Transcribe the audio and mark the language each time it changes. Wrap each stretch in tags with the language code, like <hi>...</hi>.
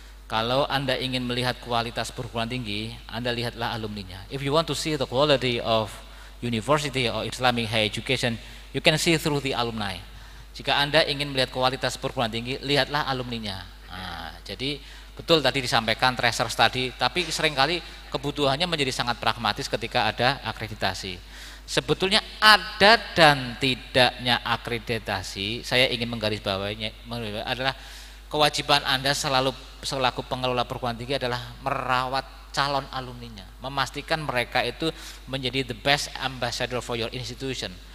<id>Kalau Anda ingin melihat kualitas perguruan tinggi, Anda lihatlah alumninya.</id> <en>If you want to see the quality of university or Islamic higher education, you can see through the alumni.</en> <id>Jika Anda ingin melihat kualitas perguruan tinggi, lihatlah alumninya. Nah, jadi betul tadi disampaikan tracer study, tapi seringkali kebutuhannya menjadi sangat pragmatis ketika ada akreditasi. Sebetulnya ada dan tidaknya akreditasi, saya ingin menggarisbawahinya adalah kewajiban Anda selaku pengelola perguruan tinggi adalah merawat calon alumninya, memastikan mereka itu menjadi</id> <en>the best ambassador for your institution.</en>